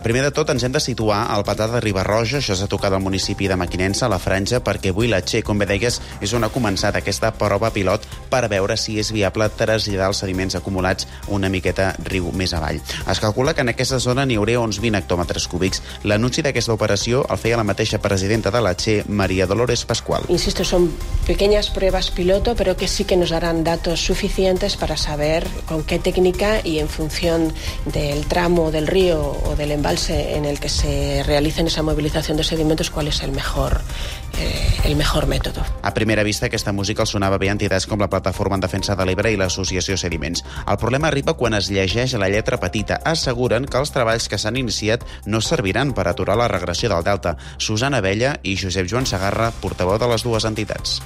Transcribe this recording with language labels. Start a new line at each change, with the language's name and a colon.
Catalan: Primer de tot, ens hem de situar al pantà de Ribarroja, això s'ha tocat al municipi de Mequinensa, a la Franja, perquè avui la Txell, com bé deies, és on ha començat aquesta prova pilot per veure si és viable traslladar els sediments acumulats una miqueta riu més avall. Es calcula que en aquesta zona n'hi hauria uns 20 hectòmetres cúbics. L'anunci d'aquesta operació el feia la mateixa presidenta de la Txell, Maria Dolores Pascual.
Spanish: Insisto, són pequeñas pruebas piloto, però que sí que nos darán datos suficientes para saber con qué técnica y en función del tramo del río o del embalse en el que se realiza esa movilización de sedimentos, cuál es el mejor método.
Catalan: A primera vista, aquesta música el sonava bé a entitats com la Plataforma en Defensa de l'Ebre i l'Associació Sediments. El problema arriba quan es llegeix la lletra petita. Asseguren que els treballs que s'han iniciat no serviran per aturar la regressió del Delta. Susana Vella i Josep Joan Segarra, portaveu de les dues entitats.